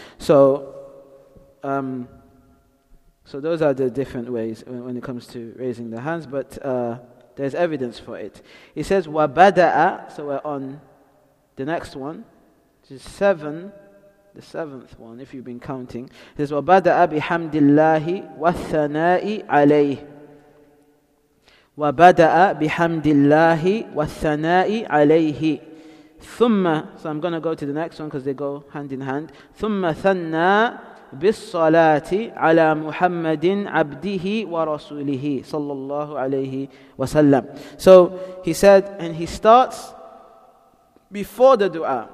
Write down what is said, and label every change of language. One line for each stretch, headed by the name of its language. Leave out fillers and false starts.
English: So those are the different ways when it comes to raising the hands, but there's evidence for it. It says,
Arabic: وَبَدَأَ,
English: so we're on the next one, which is 7 the seventh one, if you've been counting.
Arabic: It says, وَبَدَأَ بِحَمْدِ اللَّهِ وَالثَّنَاءِ عَلَيْهِ وَبَدَأَ بِحَمْدِ اللَّهِ وَالثَّنَاءِ عَلَيْهِ ثُمَّ.
English: So I'm going to go to the next one because they go hand in hand.
Arabic: ثُمَّ ثَنَّى بالصلاة على محمد عبده ورسوله صلى الله عليه وسلم.
English: So he said, and he starts before the dua.